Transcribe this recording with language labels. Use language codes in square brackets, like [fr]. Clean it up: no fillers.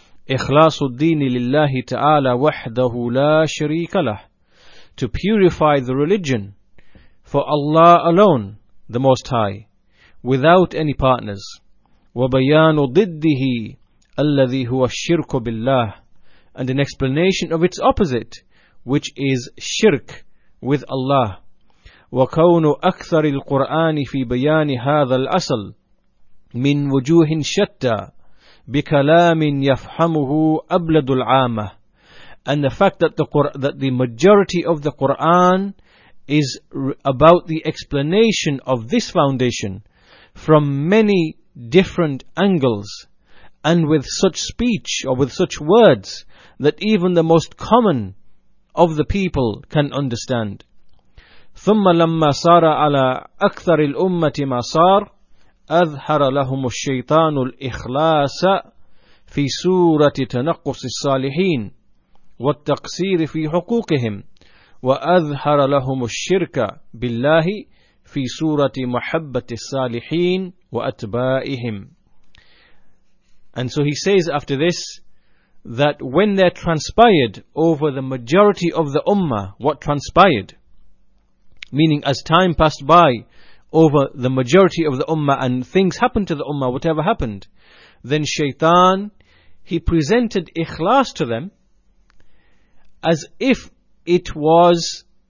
[ar] إخلاص الدين لله تعالى وحده لا شريك له. [en] To purify the religion for Allah alone, the Most High, without any partners. [ar] وبيان ضده الذي هو الشرك بالله. [en] And an explanation of its opposite, which is shirk with Allah. [ar] وكون أكثر القرآن في بيان هذا الأصل من وجوه شتى بكلام يفهمه أبلد العامة. [en] And the fact that the majority of the Quran is about the explanation of this foundation from many different angles and with such speech or with such words that even the most common of the people can understand. [ar] ثم لما صار على أكثر الأمة ما صار أظهر لهم الشيطان الإخلاص في سورة تنقص الصالحين والتقصير في حقوقهم وأظهر لهم الشرك بالله في سورة محبة الصالحين وأتباعهم. [en] And so he says after this that when there transpired over the majority of the ummah what transpired, meaning as time passed by over the majority of the ummah and things happened to the ummah, whatever happened, then shaitan, he presented ikhlas to them as if it was